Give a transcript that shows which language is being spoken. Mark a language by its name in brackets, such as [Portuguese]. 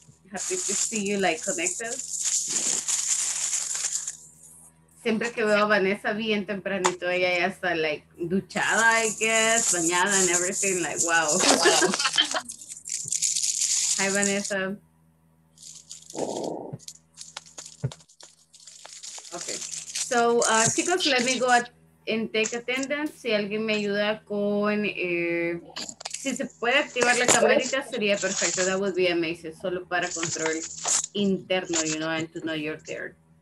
[English] Happy to see you, like, connected. [Spanish] Siempre que veo a Vanessa bien tempranito, ella ya está, [English] like, [Spanish] duchada, [English] I guess, [Spanish] bañada [English] and everything, like, wow. Wow. Hi, Vanessa. Okay. So, chicos, let me go and take attendance. [Spanish] Si alguien me ayuda con, si se puede activar la camarita, sería perfecto. [English] That would be amazing. [Spanish] Solo para control interno, [English] you know, and to know you're there.